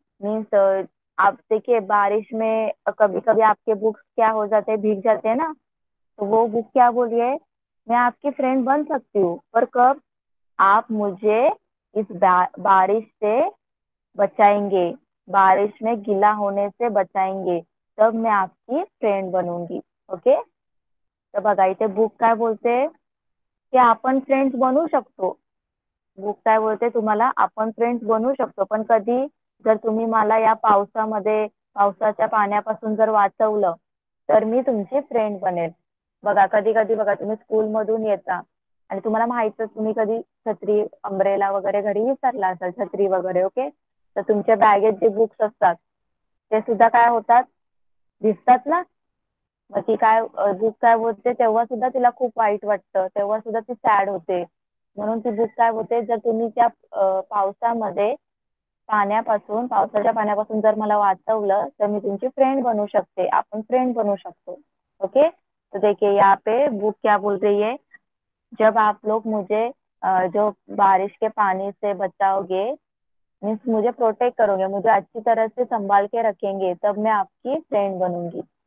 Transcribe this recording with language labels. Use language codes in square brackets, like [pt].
[hi] Means आप देखिए बारिश में कभी कभी आपके बुक्स क्या हो जाते हैं, भीग जाते हैं ना, तो वो बुक क्या बोलिए, मैं आपकी फ्रेंड बन सकती हूँ, पर कब आप मुझे इस बारिश से बचाएंगे, बारिश में गीला होने से बचाएंगे, तब मैं आपकी फ्रेंड बनूंगी। [mr] ओके, तब अगाई थे बुक क्या बोलते हैं कि अपन फ्रेंड्स बनू शकतो, बुक काय बोलते तुम्हाला आपण फ्रेंड्स बनू शकतो, पण कधी जर तुम्ही मला या पावसामध्ये पावसाच्या पाण्यापासून जर वाचवलं तर मी तुमची फ्रेंड बनेल। बघा कधी कधी बघा तुम्ही स्कूलमधून येता आणि तुम्हाला माहितच, तुम्ही कधी छत्री अंब्रेला वगैरे घरी विसरला असाल, छत्री वगैरे, ओके, तर तुमच्या बॅगेत जे बुक्स असतात ते सुद्धा काय होतात, दिसतात ना, मग ती काय बुक काय बोलते तेव्हा सुद्धा तिला खूप वाईट वाटतं, तेव्हा सुद्धा ती सॅड होते, म्हणून ती बुक काय होते, जर तुम्ही त्या पावसामध्ये पाण्यापासून पावसाच्या पाण्यापासून जर मला वाचवलं तर मी तुमची फ्रेंड बनू शकते, आपण फ्रेंड बनू शकतो। [hi] ओके, तो देखिए यहाँ पे बुक क्या बोल रही है, जब आप लोग मुझे जो बारिश के पानी से बचाओगे, मीन्स मुझे प्रोटेक्ट करोगे, मुझे अच्छी तरह से संभाल के रखेंगे, तब मैं आपकी फ्रेंड बनूंगी।